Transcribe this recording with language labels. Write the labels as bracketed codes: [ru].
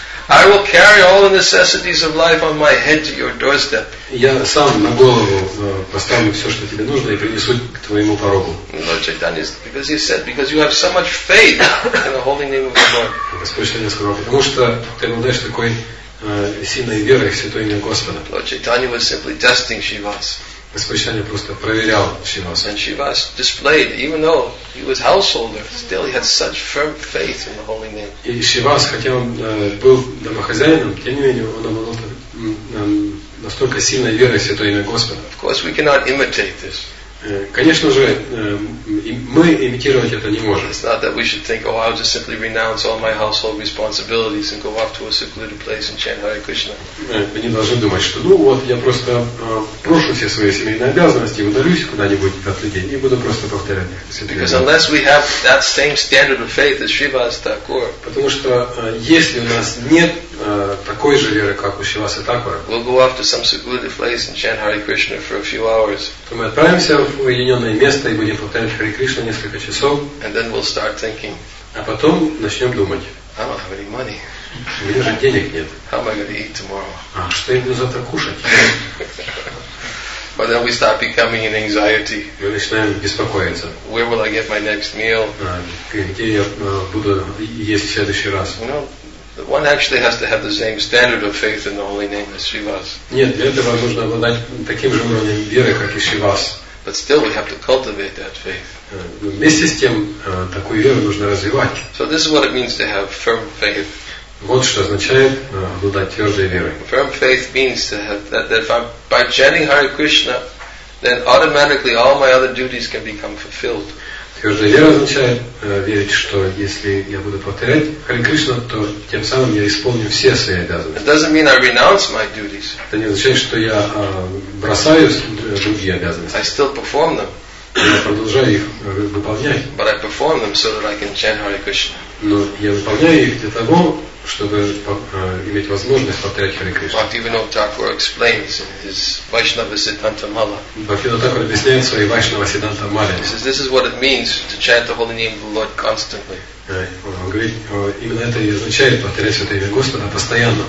[en] I will carry all the necessities of life on my head to your doorstep. [ru] Я сам на голову поставлю все, что тебе нужно, и принесу к твоему порогу. [en] Lord Chaitanya, because you said, because you have so much faith in the holy name of the Lord. [ru] Господь Chaitanya сказал, потому что ты обладаешь такой сильной верой в святое имя Господа. [en] Lord Chaitanya was simply testing Shivas. [ru] Господь Chaitanya просто проверял Шивас. [en] And Shivas displayed, even though he was householder, still he had such firm faith in the holy name. [ru] И Шивас, хотя он был домохозяином, тем не менее он обладал настолько сильной верой в святое имя Господа. [en] Of course, we cannot imitate this. [ru] Конечно же, мы имитировать это не можем. [en] It's not that we should think, oh, I'll just simply renounce all my household responsibilities and go off to a secluded place and chant Hare Krishna. [ru] Мы не должны думать, что, ну вот, я просто брошу все свои семейные обязанности, удалюсь куда-нибудь от людей и буду просто повторять святые имена. [en] Because unless we have that same standard of faith as Shrivas Thakur, [ru] потому что если у нас нет такой же веры, как у Шриваса Такура, [en] we'll go off to some secluded place and chant Hare Krishna for a few hours. [ru] То мы отправимся в уединенное место и будем повторять Хари Кришна несколько часов. [en] And then we'll start thinking, [ru] а потом начнем думать. [en] I don't have any money. [ru] У меня же денег нет. [en] How am I gonna eat tomorrow? [ru] А что я буду завтра кушать? [en] But then we start becoming in anxiety. [ru] Мы начинаем беспокоиться. [en] Where will I get my next meal? [ru] Где я буду есть в следующий раз? [en] You know, one actually has to have the same standard of faith in the holy name as Shivas. [ru] Нет, для этого нужно обладать таким же уровнем веры, как и Шивас. [en] But still we have to cultivate that faith. [ru] Вместе с тем, такую веру нужно развивать. [en] So this is what it means to have firm faith. [ru] Вот что означает обладать твердой верой. [en] Firm faith means to have that if I'm by chanting Hare Krishna, then automatically all my other duties can become fulfilled. [ru] Твердая вера означает верить, что если я буду повторять Хари Кришна, то тем самым я исполню все свои обязанности. [en] It doesn't mean I renounce my duties. [ru] Это не означает, что я бросаю другие обязанности. [en] I still perform them. [ru] Я продолжаю их выполнять. [en] But I perform them so that I can chant Hare Krishna. [ru] Но я выполняю их для того, чтобы иметь возможность повторять Хари Кришна. [en] Bhaktivinoda Thakur explains in his Vaishnava Siddhanta Mala. [ru] Bhaktivinoda Thakur объясняет свои Vaishnava Siddhanta Mala. [en] He says, this is what it means to chant the holy name of the Lord constantly. [ru] Он говорит, именно это и означает повторять святое имя Господа постоянно.